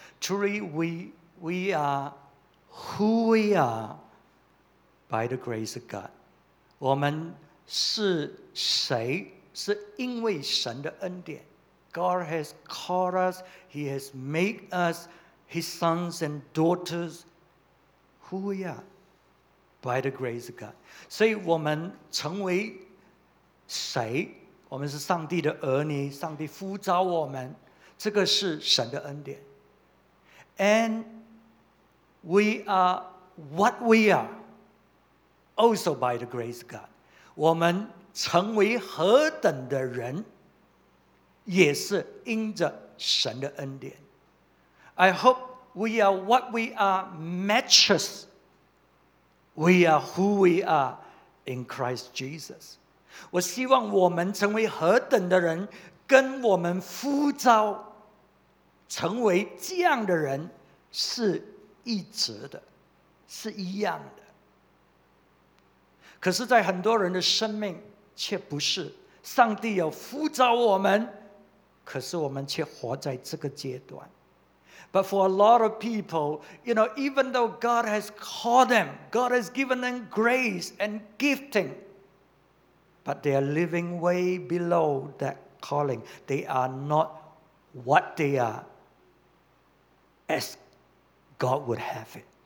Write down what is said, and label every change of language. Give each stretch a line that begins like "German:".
English: Truly, we are who we are by the grace of God.
Chinese: 我们是谁，是因为神的恩典。
English: God has called us, He has made us His sons and daughters, who we are by the grace of God.
Chinese: 所以我们成为谁，我们是上帝的儿女，上帝呼召我们，这个是神的恩典。
English: And we are what we are, also by the grace of God.
Chinese: 我们成为何等的人，也是因着神的恩典。
English: I hope we are what we are matches. We are who we are in Christ Jesus.
Chinese: 我希望我们成为何等的人，跟我们呼召成为这样的人是一致的，是一样的。可是在很多人的生命却不是，上帝有呼召我们，可是我们却活在这个阶段。
English: But for a lot of people, you know, even though God has called them, God has given them grace and gifting, but they are living way below that calling. They are not what they are as God would have it.